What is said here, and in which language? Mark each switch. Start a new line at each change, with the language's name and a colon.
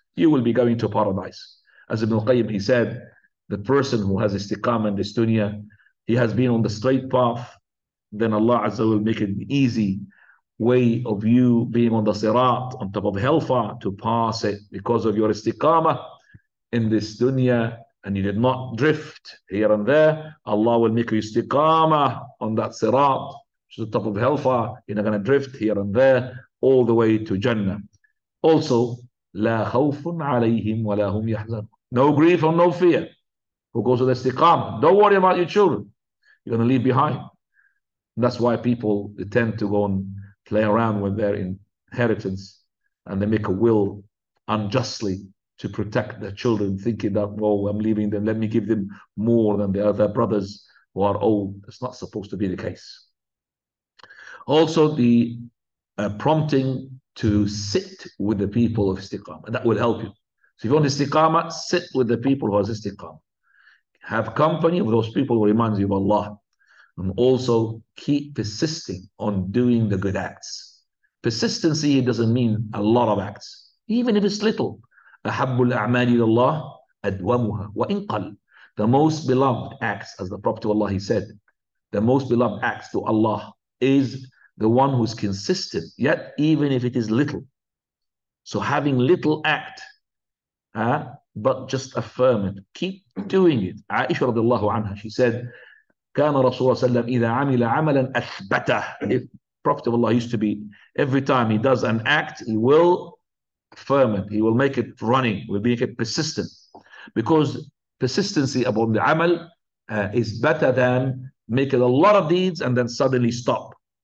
English: You will be going to paradise. As Ibn Qayyim, he said, the person who has istiqamah in this dunya, he has been on the straight path, then Allah Azza will make it an easy way of you being on the sirat, on top of hellfire, to pass it because of your istiqamah in this dunya, and you did not drift here and there. Allah will make you istiqamah on that sirat, which is the top of hellfire. You're not going to drift here and there all the way to Jannah. Also,
Arabic: لَا خَوْفٌ عَلَيْهِمْ وَلَا هُمْ يَحْزَنُونَ.
English: No grief or no fear. Who goes to the istiqamah? Don't worry about your children. You're going to leave behind. And that's why people tend to go and play around with their inheritance, and they make a will unjustly to protect their children, thinking that, oh, I'm leaving them, let me give them more than the other brothers who are old. That's not supposed to be the case. Also, the prompting to sit with the people of istiqama. That will help you. So if you want istiqama, sit with the people who has istiqama. Have company of those people who reminds you of Allah. And also keep persisting on doing the good acts. Persistency doesn't mean a lot of acts. Even if it's little.
Arabic: أَحَبُّ الْأَعْمَالِ لِلَّهِ أَدْوَمُهَا وَإِنْ قَلْ.
English: The most beloved acts, as the Prophet of Allah, he said, the most beloved acts to Allah is the one who's consistent, yet even if it is little. So having little act, but just affirm it. Keep doing it. Aisha radiallahu anha, she said,
Arabic: كان رسول الله صلى الله عليه وسلم إذا عمل عملا أثبته.
English: If Prophet of Allah used to be, every time he does an act, he will affirm it. He will make it running, will make it persistent. Because persistency upon the amal is better than making a lot of deeds and then suddenly stop.